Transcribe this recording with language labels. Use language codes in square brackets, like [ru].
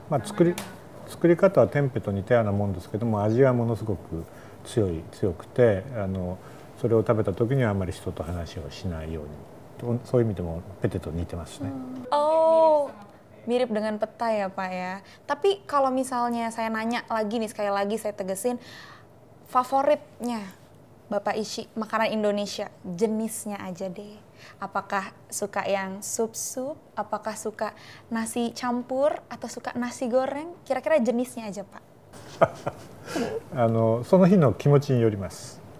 [ja] 作り方はテンペと似たようなもんですけども、味はものすごく強くて、それを食べた時にはあまり人と話をしないように、そういう意味でもペテと似てますね。 [id] Oh, mirip dengan petai ya Pak ya. Tapi kalau misalnya saya nanya lagi nih, sekali lagi saya tegesin, favoritnya Bapak Ishii makanan Indonesia, jenisnya aja deh. Apakah suka yang sup-sup, apakah suka nasi campur atau suka nasi goreng? Kira-kira jenisnya aja, Pak. [ja] その日の気持ちによります。